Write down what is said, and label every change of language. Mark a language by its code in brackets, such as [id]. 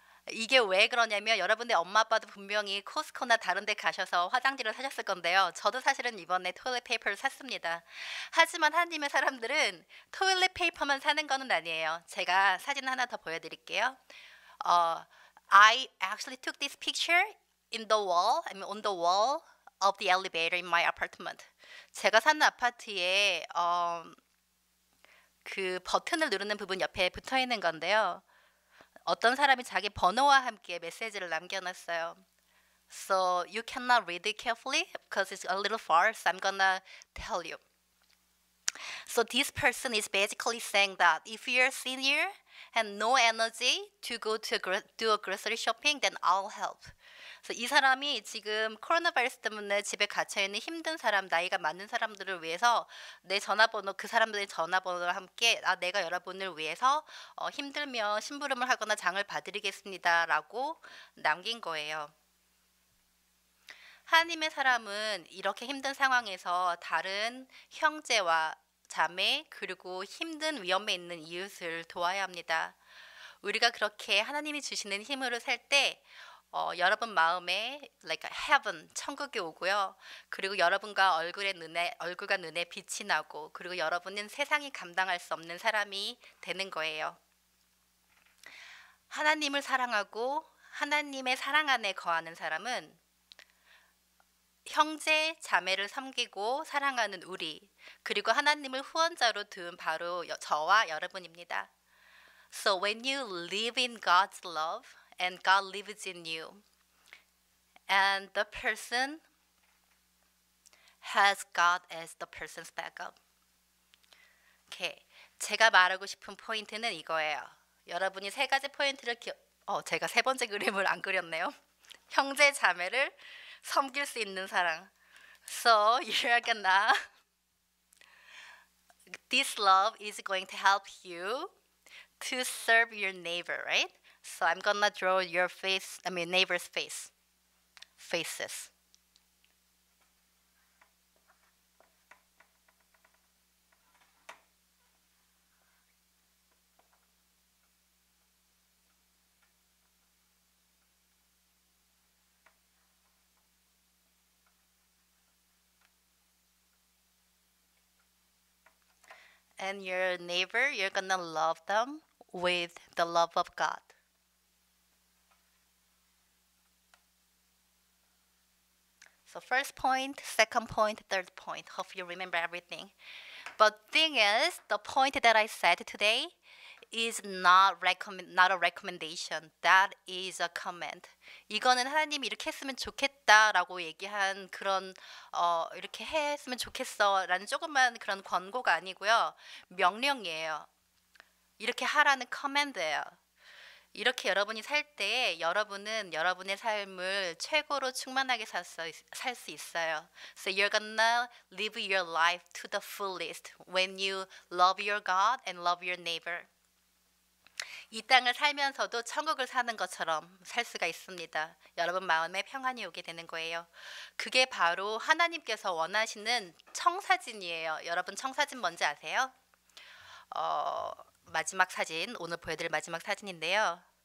[ko] 이게 왜 그러냐면 여러분들 엄마 아빠도 분명히 코스코나 다른 데 가셔서 화장지를 사셨을 건데요. 저도 사실은 이번에 토일렛 페이퍼를 샀습니다. 하지만 하나님의 사람들은 토일렛 페이퍼만 사는 거는 아니에요. 제가 사진 하나 더 보여드릴게요. [en] I actually took this picture in the wall, I mean on the wall of the elevator in my apartment. [ko] 제가 사는 아파트에 그 버튼을 누르는 부분 옆에 붙어 있는 건데요. 어떤 사람이 자기 번호와 함께 메시지를 남겨놨어요. [en] So you cannot read it carefully because it's a little far, so I'm gonna tell you. So this person is basically saying that if you're a senior and no energy to go to do a grocery shopping, then I'll help. [ko] So 이 사람이 지금 코로나 바이러스 때문에 집에 갇혀있는 힘든 사람, 나이가 많은 사람들을 위해서 내 전화번호, 그 사람들의 전화번호와 함께 내가 여러분을 위해서 힘들면 심부름을 하거나 장을 봐드리겠습니다 라고 남긴 거예요. 하나님의 사람은 이렇게 힘든 상황에서 다른 형제와 자매 그리고 힘든 위험에 있는 이웃을 도와야 합니다. 우리가 그렇게 하나님이 주시는 힘으로 살 때 여러분 마음에 [en] like heaven, [ko] 천국이 오고요. 그리고 여러분과 얼굴과 눈에 빛이 나고 그리고 여러분은 세상이 감당할 수 없는 사람이 되는 거예요. 하나님을 사랑하고 하나님의 사랑 안에 거하는 사람은 형제, 자매를 섬기고 사랑하는 우리 그리고 하나님을 후원자로 둔 바로 저와 여러분입니다. [en] So when you live in God's love, and God lives in you. And the person has God as the person's backup. Okay. [ko] 제가 말하고 싶은 포인트는 이거예요. 여러분이 세 가지 포인트를 제가 세 번째 그림을 안 그렸네요. 형제 자매를 섬길 수 있는 사랑. [en] So, you're gonna this love is going to help you to serve your neighbor, right? So I'm gonna draw your face, I mean neighbor's face, faces. And your neighbor, you're gonna love them with the love of God. So first point, second point, third point. Hope you remember everything. But thing is, the point that I said today is not a recommendation. That is a comment. [ko] 이거는 하나님이 이렇게 했으면 좋겠다라고 얘기한 그런 이렇게 했으면 좋겠어라는 조그만 그런 권고가 아니고요. 명령이에요. 이렇게 하라는 command예요. 이렇게 여러분이 살 때 여러분은 여러분의 삶을 최고로 충만하게 살 수 있어요. [en] So you're gonna live your life to the fullest when you love your God and love your neighbor. [ko] 이 땅을 살면서도 천국을 사는 것처럼 살 수가 있습니다. 여러분 마음에 평안이 오게 되는 거예요. 그게 바로 하나님께서 원하시는 청사진이에요. 여러분 청사진 뭔지 아세요? 마지막 사진, 오늘 보여드릴 마지막 사진인데요.